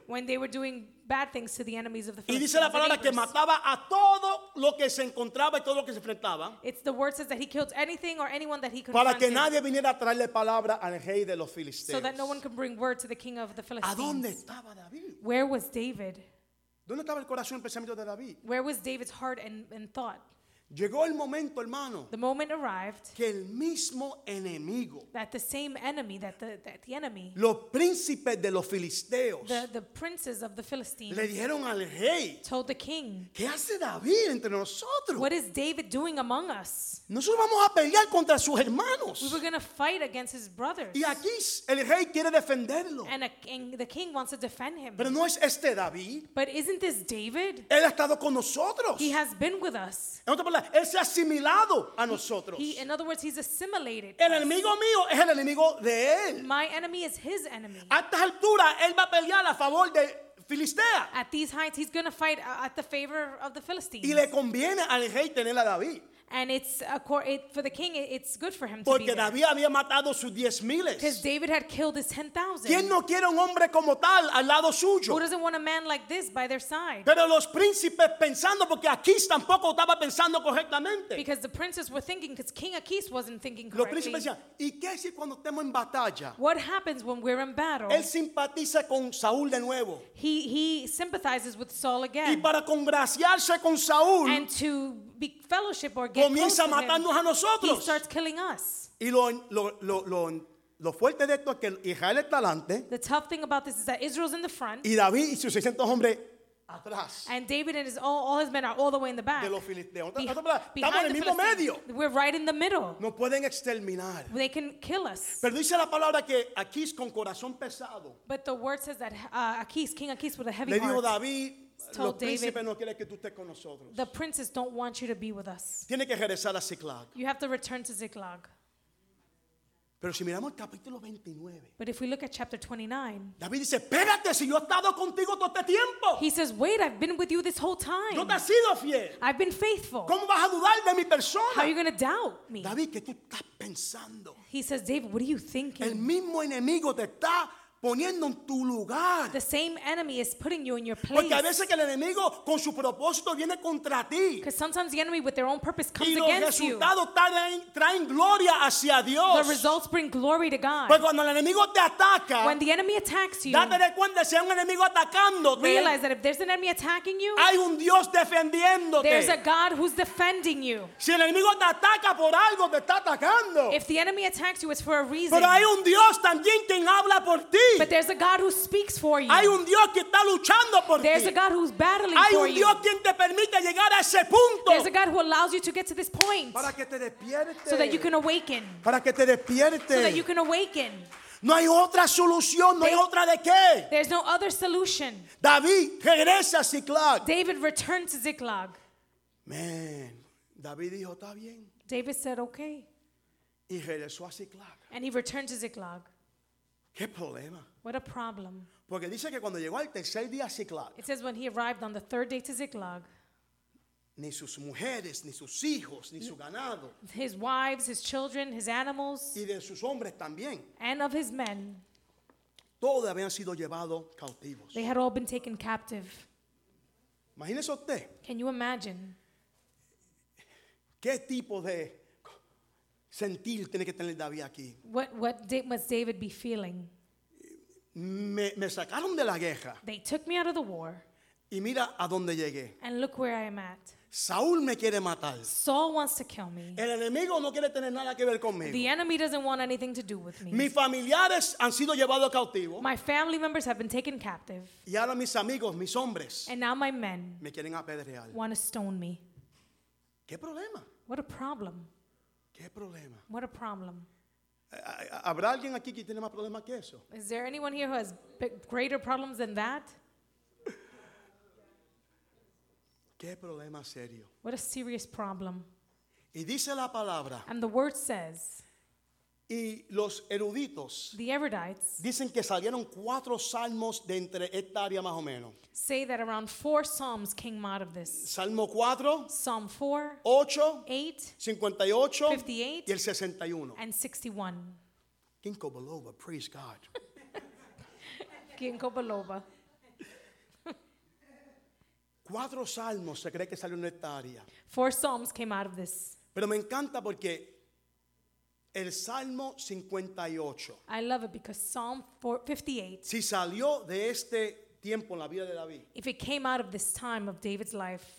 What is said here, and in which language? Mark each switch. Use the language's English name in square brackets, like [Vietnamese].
[English] When they were doing bad things to the enemies of the [Spanish] Philistines. Y dice la palabra que mataba a todo lo que se encontraba y todo lo que se enfrentaba. [English] It's the word says that he killed anything or anyone that he could. [Spanish] Para que nadie viniera a traerle palabra al rey de los filisteos. [English] So that no one can bring word to the king of the Philistines. [Spanish] ¿A dónde estaba David? [English] Where was David? [Spanish] ¿Dónde estaba el corazón y el pensamiento de David? [English] Where was David's heart and thought? [Spanish] Llegó el momento, hermano. [English] The moment arrived. [Spanish] Que el mismo enemigo. [English] That the same enemy, that the enemy. [Spanish] Los príncipes de los filisteos. [English] The princes of the Philistines. [Spanish] Le dijeron al rey. [English] Told the king. [Spanish] ¿Qué hace David entre nosotros? [English] What is David doing among us? [Spanish] Nosotros vamos a pelear contra sus hermanos. [English] We were going to fight against his brothers. [Spanish] Y aquí el rey quiere defenderlo. [English] And the king wants to defend him. [Spanish] Pero no es este David. [English] But isn't this David? [Spanish] Él ha estado con nosotros. [English] He has been with us. [Spanish] Él se ha asimilado a nosotros. [English] In other words, he's assimilated. [Spanish] El enemigo mío es el enemigo de él. [English] My enemy is his enemy. [Spanish] A esta altura, él va a pelear a favor de Filistea. [English] At these heights, he's going to fight at the favor of the Philistines. [Spanish] Y le conviene al rey tener a David. [English] And it's for the king, it's good for him [Spanish] porque [English] to be [Spanish] David Había [English] because David had killed his 10,000. [Spanish] ¿Quién no quiere un hombre como tal al lado suyo? [English] Who doesn't want a man like this by their side? [Spanish] Pero los príncipes pensando, porque Aquis tampoco estaba pensando correctamente. [English] Because the princes were thinking, because King Aquis wasn't thinking [Spanish] correctly. Los príncipes decían, ¿y qué es cuando estemos en batalla? [English] What happens when we're in battle? [Spanish] Él simpatiza con Saúl de nuevo. [English] He sympathizes with Saul again. [Spanish] Y para congraciarse con Saúl. [English] And to be fellowship or get close to him, he starts killing us. The tough thing about this is that Israel's in the front, [Spanish] y David y sus 600 hombres atrás. [English] And David and all his men are all the way in the back. [Spanish] De los [English] behind the [Spanish] mismo medio. [English] We're right in the middle. [Spanish] No pueden exterminar. [English] They can kill us. [Spanish] Pero dice la palabra que Aquis con corazón pesado. [English] But the word says that Aquis, King Aquis, with a heavy [Spanish] le [English] heart. [Spanish] Le dijo David. [English] Told David, the princes don't want you to be with us. [Spanish] Tiene que regresar a Ziklag. [English] You have to return to Ziklag. [Spanish] Pero si miramos el capítulo 29, [English] but if we look at chapter 29, [Spanish] David dice, espérate, si yo he estado contigo todo este tiempo. [English] He says, wait, I've been with you this whole time. [Spanish] Yo te he sido fiel. [English] I've been faithful. [Spanish] ¿Cómo vas a dudar de mi persona? [English] How are you going to doubt me? [Spanish] David, ¿qué tú estás pensando? [English] He says, David, what are you thinking? [Spanish] El mismo enemigo te está poniendo en tu lugar. [English] The same enemy is putting you in your place. [Spanish] Porque a veces que el enemigo con su propósito viene contra ti. [English] Because sometimes the enemy with their own purpose comes against you. [Spanish] Y los resultados traen gloria hacia Dios. [English] The results bring glory to God. [Spanish] Pero cuando el enemigo te ataca, [English] when the enemy attacks you, [Spanish] date cuenta si hay un enemigo atacándote. [English] Realize that if there's an enemy attacking you, [Spanish] hay un Dios defendiéndote. [English] There's a God who's defending you. [Spanish] Si el enemigo te ataca por algo, te está atacando. [English] If the enemy attacks you, it's for a reason. [Spanish] Pero hay un Dios también quien habla por ti. [English] But there's a God who speaks for you. [Spanish] Hay un Dios que está luchando por [English] there's [Spanish] ti. [English] A God who's battling [Spanish] hay [English] for [Spanish] un Dios [English] you. [Spanish] Quien te permite llegar a ese punto. [English] There's a God who allows you to get to this point. [Spanish] Para que te despierte. [English] So that you can awaken. [Spanish] Para que te despierte. [English] So that you can awaken. [Spanish] No hay otra solución, no hay otra de qué. [English] There's no other solution. [Spanish] David regresa a Ziklag. [English] David returned to Ziklag. [Spanish] Man, David dijo, está bien. [English] David said, okay. [Spanish] Y regresó a Ziklag. [English] And he returned to Ziklag. [Spanish] ¿Qué problema? [English] What a problem. [Spanish] Porque dice que cuando llegó al tercer día a Ziklag, [English] it says when he arrived on the third day to Ziklag, [Spanish] ni sus mujeres, ni sus hijos, ni su ganado, [English] his wives, his children, his animals, [Spanish] y de sus hombres también, [English] and of his men, [Spanish] todos habían sido llevados cautivos. [English] They had all been taken captive. [Spanish] Imagínese usted. [English] Can you imagine? [Spanish] ¿Qué tipo de sentir tiene que tener David aquí? [English] What must David be feeling? [Spanish] Me sacaron de la guerra. [English] They took me out of the war. [Spanish] Y mira a dónde llegué. [English] And look where I am at. [Spanish] Saúl me quiere matar. [English] Saul wants to kill me. [Spanish] El enemigo no quiere tener nada que ver conmigo. [English] The enemy doesn't want anything to do with me. [Spanish] Mis familiares han sido llevados cautivos. [English] My family members have been taken captive. [Spanish] Y ahora mis amigos, mis hombres, [English] and now my men, [Spanish] me quieren apedrear. [English] Want to stone me. [Spanish] ¿Qué problema? [English] What a problem. [Spanish] ¿Qué problema? [English] What a problem. [Spanish] ¿Habrá alguien aquí que tiene más problemas que eso? [English] Is there anyone here who has greater problems than that? [Spanish] ¿Qué problema serio? [English] What a serious problem. [Spanish] Y dice la palabra. [English] And the word says. [Spanish] Y los eruditos. [English] The erudites. [Spanish] Dicen que salieron cuatro salmos de entre esta área más o menos. [English] Say that around four psalms came out of this. [Spanish] Salmo 4. [English] Psalm 4. [Spanish] 8. [English] 8. [Spanish] 58. [English] 58. [Spanish] Y el 61. [English] And 61. Ginkgo biloba, praise God. Ginkgo biloba. [Spanish] Cuatro salmos se cree que salieron de esta área. [English] Four psalms came out of this. [Spanish] Pero me encanta porque el Salmo 58. [English] I love it because Psalm 58. [Spanish] Si salió de este tiempo en la vida de David. [English] If it came out of this time of David's life.